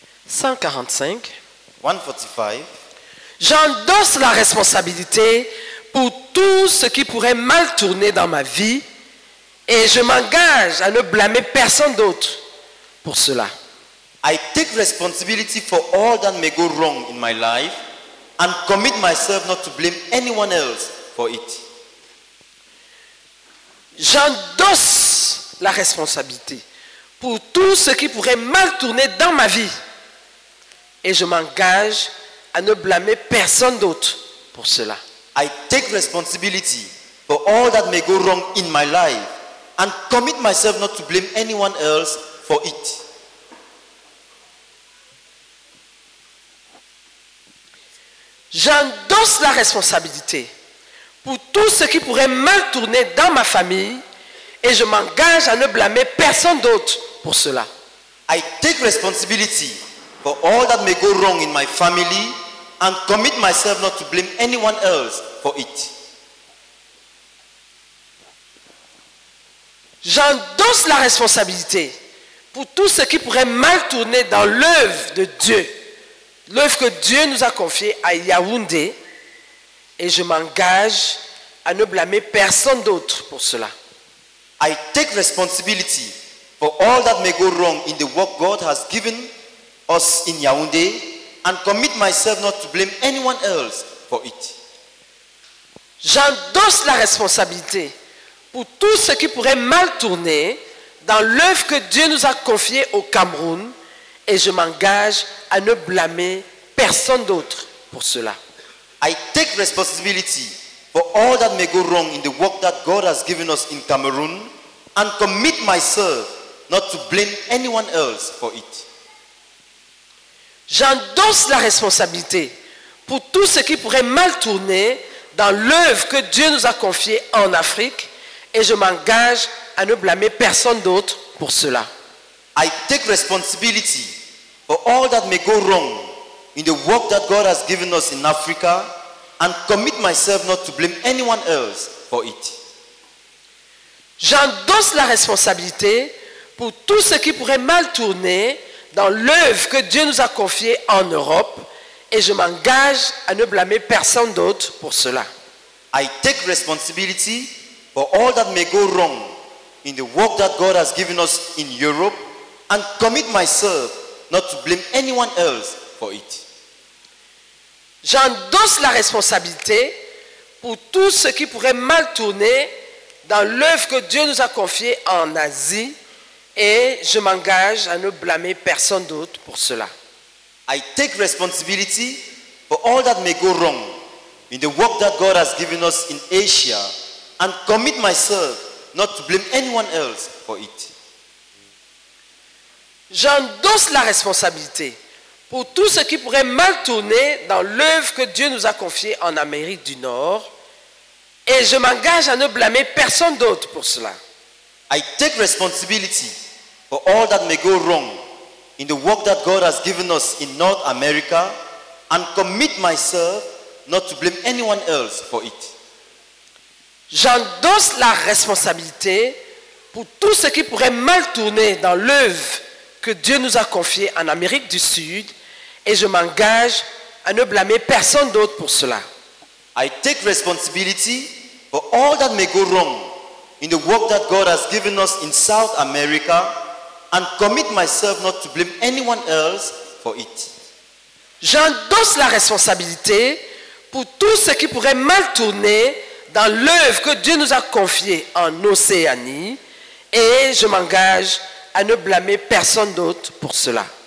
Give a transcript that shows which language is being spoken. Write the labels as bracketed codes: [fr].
[fr] 145. J'endosse la responsabilité pour tout ce qui pourrait mal tourner dans ma vie et je m'engage à ne blâmer personne d'autre pour cela. [en] I take responsibility for all that may go wrong in my life and commit myself not to blame anyone else for it. [fr] J'endosse la responsabilité pour tout ce qui pourrait mal tourner dans ma vie et je m'engage à ne blâmer personne d'autre pour cela. [en] I take responsibility for all that may go wrong in my life and commit myself not to blame anyone else for it. [fr] J'endosse la responsabilité pour tout ce qui pourrait mal tourner dans ma famille et je m'engage à ne blâmer personne d'autre pour cela. [en] I take responsibility for all that may go wrong in my family and commit myself not to blame anyone else for it. [fr] J'endosse la responsabilité pour tout ce qui pourrait mal tourner dans l'œuvre de Dieu, l'œuvre que Dieu nous a confiée à Yaoundé, et je m'engage à ne blâmer personne d'autre pour cela. [en] I take responsibility for all that may go wrong in the work God has given us in Yaoundé and commit myself not to blame anyone else for it. [fr] J'endosse la responsabilité pour tout ce qui pourrait mal tourner dans l'œuvre que Dieu nous a confiée au Cameroun et je m'engage à ne blâmer personne d'autre pour cela. [en] I take responsibility for all that may go wrong in the work that God has given us in Cameroon and commit myself not to blame anyone else for it. [fr] J'endosse la responsabilité pour tout ce qui pourrait mal tourner dans l'œuvre que Dieu nous a confiée en Afrique et je m'engage à ne blâmer personne d'autre pour cela. [en] I take responsibility for all that may go wrong in the work that God has given us in Africa and commit myself not to blame anyone else for it. [fr] J'endosse la responsabilité pour tout ce qui pourrait mal tourner dans l'œuvre que Dieu nous a confiée en Europe et je m'engage à ne blâmer personne d'autre pour cela. [en] I take responsibility for all that may go wrong in the work that God has given us in Europe and commit myself not to blame anyone else for it. [fr] J'endosse la responsabilité pour tout ce qui pourrait mal tourner dans l'œuvre que Dieu nous a confiée en Asie et je m'engage à ne blâmer personne d'autre pour cela. [en] I take responsibility for all that may go wrong in the work that God has given us in Asia and commit myself not to blame anyone else for it. [fr] J'endosse la responsabilité pour tout ce qui pourrait mal tourner dans l'œuvre que Dieu nous a confiée en Amérique du Nord et je m'engage à ne blâmer personne d'autre pour cela. [en] I take responsibility for all that may go wrong in the work that God has given us in North America and commit myself not to blame anyone else for it. [fr] J'endosse la responsabilité pour tout ce qui pourrait mal tourner dans l'œuvre que Dieu nous a confiée en Amérique du Sud et je m'engage à ne blâmer personne d'autre pour cela. [en] I take responsibility for all that may go wrong in the work that God has given us in South America and commit myself not to blame anyone else for it. [fr] J'endosse la responsabilité pour tout ce qui pourrait mal tourner dans l'œuvre que Dieu nous a confiée en Océanie et je m'engage à ne blâmer personne d'autre pour cela.